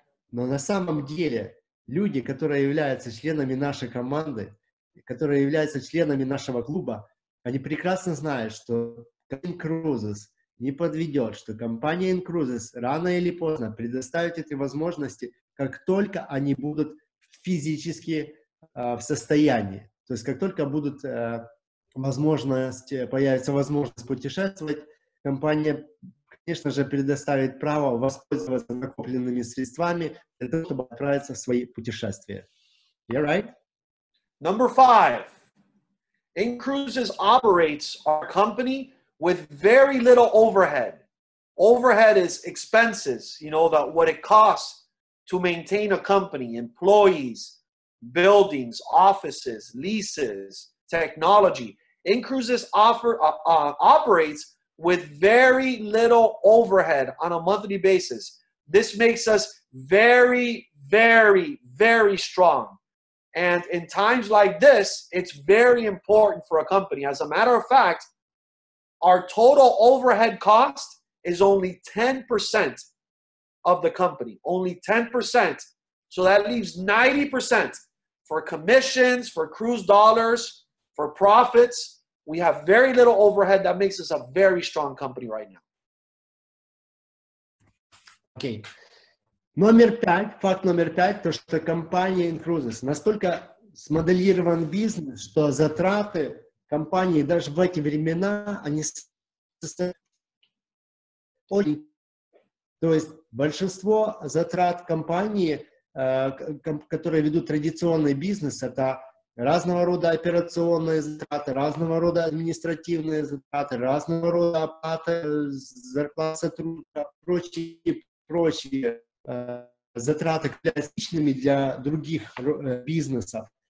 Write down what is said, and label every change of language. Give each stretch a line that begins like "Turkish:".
Russian: Но на самом деле люди, которые являются членами нашей команды, которые являются членами нашего клуба, они прекрасно знают, что Incruises не подведет, что компания Incruises рано или поздно предоставит эти возможности, как только они будут физически в состоянии. То есть, как только будет появится возможность путешествовать, компания, конечно же, предоставит право воспользоваться накопленными средствами для того, чтобы отправиться в свои путешествия.
English: You're right? Number five. Incruises operates our company with very little overhead. Overhead is expenses, you know, that what it costs to maintain a company, employees, buildings, offices, leases, technology. Incruises operates with very little overhead on a monthly basis. This makes us very, very, very strong. And in times like this, it's very important for a company. As a matter of fact, our total overhead cost is only 10% of the company, only 10%. So that leaves 90% for commissions, for cruise dollars, for profits. We have very little overhead. That makes us a very strong company right now. Okay.
Russian: Номер пять, факт номер пять, то, что компания Incruises настолько смоделирован бизнес, что затраты компании даже в эти времена, они состоят, то есть большинство затрат компании, которые ведут традиционный бизнес, это разного рода операционные затраты, разного рода административные затраты, разного рода оплаты, зарплаты сотрудников, прочие затраты классичными для других бизнесов.